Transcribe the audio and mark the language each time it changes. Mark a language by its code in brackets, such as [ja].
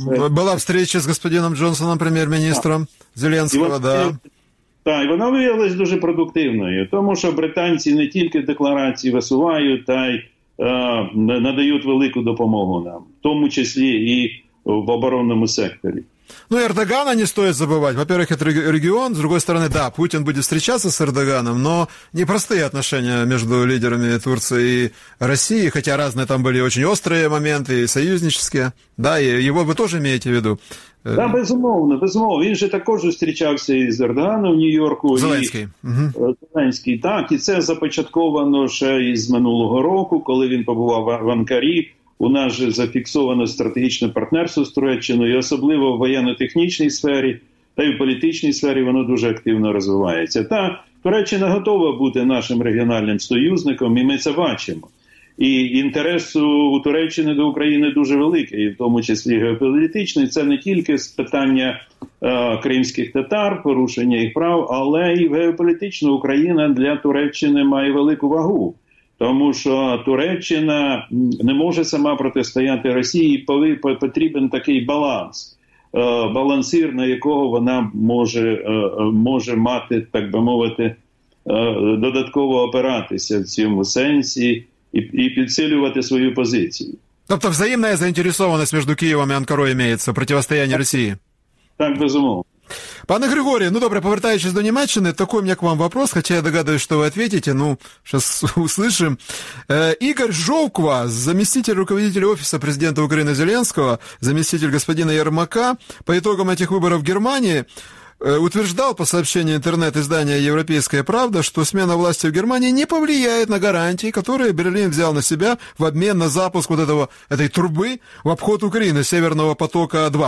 [uk] Була [ru] встреча з господином [uk] Джонсоном, прем'єр-міністром Зеленського, да. Так, і вона виявилась дуже продуктивною, тому що британці не тільки декларації висувають, та й надають велику допомогу нам, в тому числі і в оборонному секторі. [ru] Ну, Эрдогана не стоит забывать. Во-первых, это регион. С другой стороны, да, Путин будет встречаться с Эрдоганом, но непростые отношения между лидерами Турции и России, хотя разные там были очень острые моменты, и союзнические. Да, и его вы тоже имеете в виду? [uk] Да, безумовно, безумовно. [ru] Он же также встречался и с Эрдоганом в Нью-Йорку. Зеленский. Зеленский, так. И это [uk] започатковано [ru] еще из минулого года, когда он побывал в Анкаре. [uk] У нас же зафіксовано стратегічне партнерство з Туреччиною, особливо в воєнно-технічній сфері та й в політичній сфері воно дуже активно розвивається. Та Туреччина готова бути нашим регіональним союзником, і ми це бачимо. І інтерес у Туреччини до України дуже великий, в тому числі геополітичний. Це не тільки питання кримських татар, порушення їх прав, але і геополітично Україна для Туреччини має велику вагу. Тому що Туреччина не може сама протистояти Росії, потрібен такий баланс, балансир, на якого вона може мати, так би мовити, додатково опиратися в цьому сенсі і підсилювати свою позицію. Тобто взаємна заінтересованість між Києвом і Анкарою мається, протистояння Росії? Так, безумовно. Пане Григорий, ну, добре, повертаючись до Німеччини, [ru] такой у меня к вам вопрос, хотя я догадываюсь, что вы ответите, ну, сейчас услышим. Игорь Жовква, заместитель руководителя офиса президента Украины Зеленского, заместитель господина Ермака, по итогам этих выборов в Германии, утверждал по сообщению интернет-издания «Европейская правда», что смена власти в Германии не повлияет на гарантии, которые Берлин взял на себя в обмен на запуск вот этой трубы в обход Украины, «Северного потока-2».